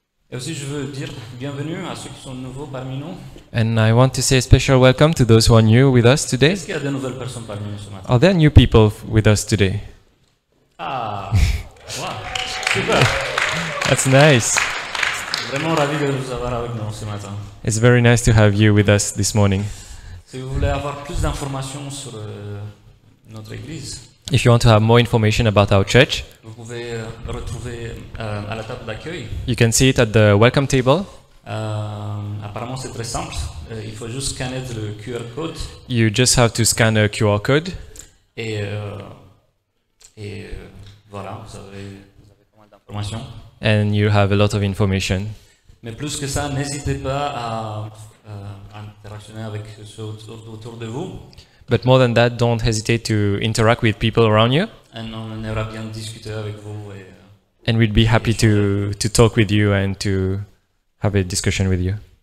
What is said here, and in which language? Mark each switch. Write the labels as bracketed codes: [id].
[fr] Et aussi, je veux dire bienvenue à ceux qui sont nouveaux parmi nous. [en] And I want to say a special welcome to those who are new with us today. [fr] Est-ce qu'il y a de nouvelles personnes parmi nous ce matin? [en] Are there new people with us today? [fr] Ah, wow, super. [en] That's nice. [fr] Vraiment ravi de vous avoir avec nous ce matin. [en] It's very nice to have you with us this morning. [fr] Si vous voulez avoir plus d'informations sur notre église. [en] If you want to have more information about our church, [fr] vous pouvez retrouver à la table d'accueil. [en] You can see it at the welcome table. [fr] Apparemment, c'est très simple. Il faut juste scanner le QR code. [en] You just have to scan a QR code. [fr] Et voilà, vous avez pas mal d'informations. [en] And you have a lot of information. [fr] Mais plus que ça, n'hésitez pas à interagir avec ceux autour de vous. [en] But more than that, don't hesitate to interact with people around you. [fr] And on aimerait bien discuter avec vous. [en] And we'd be happy to talk with you and to have a discussion with you.